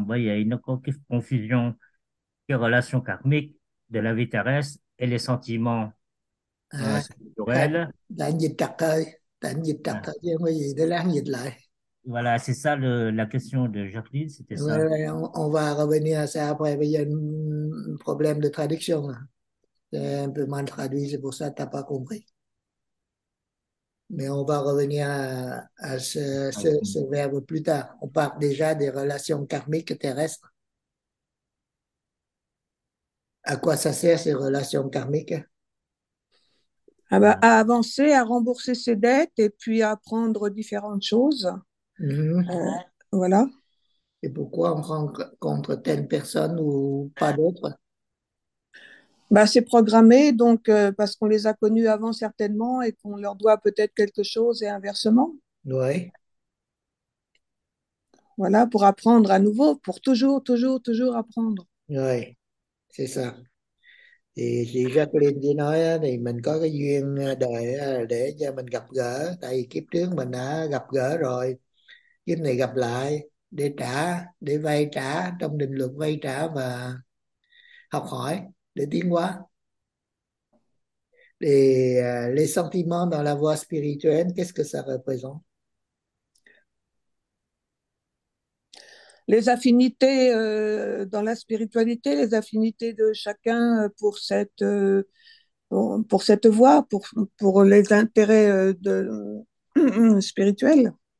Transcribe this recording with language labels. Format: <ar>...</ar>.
<fr>Vous voyez, il y a une confusion des relations karmiques de la vie terrestre et les sentiments À, spirituels.</fr> <vi>tại dịch tập thôi, tại dịch tập thôi chứ không có gì, để lát dịch lại.</vi> <fr>Voilà, c'est ça la question de Jacqueline, c'était ça. On va revenir à ça après.</fr> <vi>Bây giờ</vi> <fr>problème de traduction, c'est un peu mal traduit, c'est pour ça que t'as pas compris. Mais on va revenir à ce verbe plus tard. On parle déjà des relations karmiques terrestres. À quoi ça sert ces relations karmiques? à avancer, à rembourser ses dettes et puis à apprendre différentes choses. Voilà. Et pourquoi on rencontre telle personne ou pas d'autre? Bah, c'est programmé, donc, parce qu'on les a connus avant certainement et qu'on leur doit peut-être quelque chose et inversement. Oui. Voilà, pour apprendre à nouveau, pour toujours, toujours, toujours apprendre. Oui, c'est ça. Et Jacqueline dit</fr> <vi>nói thì mình có cái duyên đời để cho mình gặp gỡ, tại vì kiếp trước mình đã gặp gỡ rồi, kiếp này gặp lại để trả, để vay trả, trong định luật vay trả và học hỏi để tiến hóa.</vi> <fr>Les sentiments dans la voie spirituelle, qu'est-ce que ça représente? Les affinités dans la spiritualité, les affinités de chacun pour cette voie, pour les intérêts spirituels.</fr>